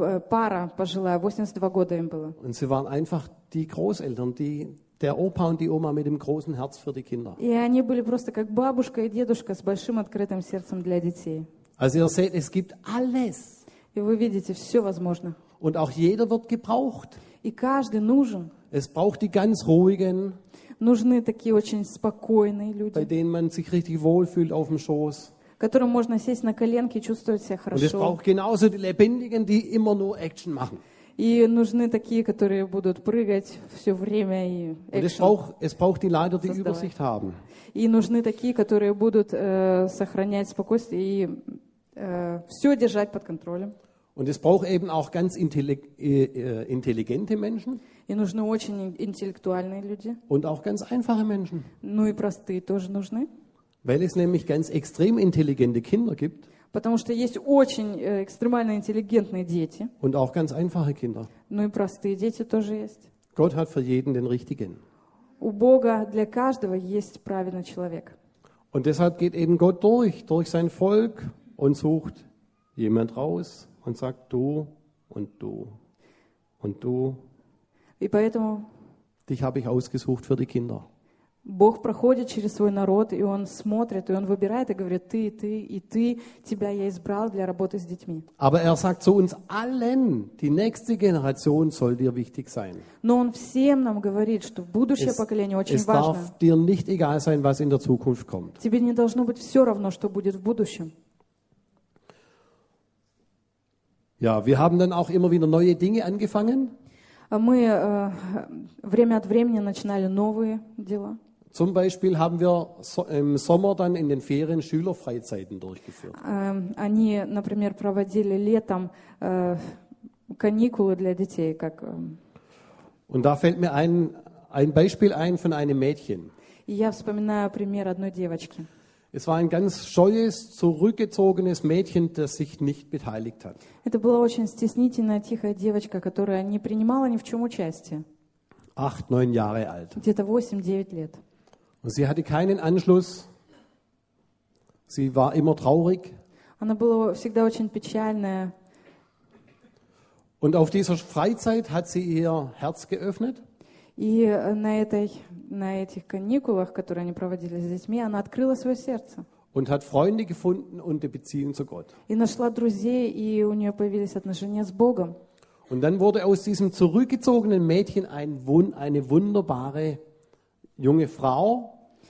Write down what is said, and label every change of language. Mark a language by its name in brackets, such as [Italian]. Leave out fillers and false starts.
[Russian] Пара пожилая, 82 года им было. [German] Und sie waren einfach die Großeltern, die, der Opa und die Oma mit dem großen Herz für die Kinder. [Russian] И они были просто как бабушка и дедушка с большим открытым сердцем для детей. [German] Also ihr seht, es gibt alles. [Russian] И вы видите, все возможно. [German] Und auch jeder wird gebraucht. [Russian] И каждый нужен. [German] Es braucht die ganz ruhigen. [Russian] Нужны такие очень спокойные люди, [German] bei denen man sich richtig wohlfühlt auf dem Schoß. [Russian] Которым можно сесть на коленки и чувствовать себя хорошо. [German] Und es braucht genauso die Lebendigen, die immer nur Action machen. [Russian] И нужны такие, которые будут прыгать все время и Action. [German] Und es braucht die Leiter, die Übersicht haben. [Russian] И нужны такие, которые будут сохранять спокойствие и все держать под контролем. [German] Und es braucht eben auch ganz intelligente Menschen. [Russian] И нужны очень интеллектуальные люди. [German] Und auch ganz einfache Menschen. [Russian] Ну и простые тоже нужны. [German] Weil es nämlich ganz extrem intelligente Kinder gibt. [Russian] Потому что есть очень экстремально интеллигентные дети. [German] Und auch ganz einfache Kinder. [Russian] Ну и простые дети тоже есть. [German] Gott hat für jeden den richtigen. [Russian] У Бога для каждого есть правильный человек. [German] Und deshalb geht eben Gott durch sein Volk und sucht jemand raus und sagt du und du und du. [Russian] И поэтому [German] dich habe ich ausgesucht für die Kinder. [Russian] Бог проходит через свой народ, и он смотрит, и он выбирает и говорит: ты, ты и ты, тебя я избрал для работы с детьми. [German] Aber er sagt zu uns allen, die nächste Generation soll dir wichtig sein. [Russian] Но он всем нам говорит, что будущее поколение очень важно. [German] Es darf dir nicht egal sein, was in der Zukunft kommt. [Russian] Тебе не должно быть все равно, что будет в будущем. [German] Ja, wir haben dann auch immer wieder neue Dinge angefangen. [Russian] Мы время от времени начинали новые дела. [German] Zum Beispiel haben wir im Sommer dann in den Ferien Schülerfreizeiten durchgeführt. [Russian] Они, например, проводили летом каникулы для детей, как. [German] Und da fällt mir ein Beispiel ein von einem Mädchen. [Russian] Я вспоминаю пример одной девочки. [German] Es war ein ganz scheues, zurückgezogenes Mädchen, das sich nicht beteiligt hat. [Russian] Это была очень стеснительная, тихая девочка, которая не принимала ни в чем участие. [German] 8-9 Jahre alt. [Russian] Где-то 8-9 лет. [German] Und sie hatte keinen Anschluss. Sie war immer traurig. [Russian] Она была всегда очень печальная. [German] Und auf dieser Freizeit hat sie ihr Herz geöffnet. [Russian] И на этих каникулах, которые они проводили с детьми, она открыла свое сердце. [German] Und hat Freunde gefunden und die Beziehung zu Gott. [Russian] И нашла друзей, и у нее появились отношения с Богом. [German] Und dann wurde aus diesem zurückgezogenen Mädchen eine wunderbare junge Frau.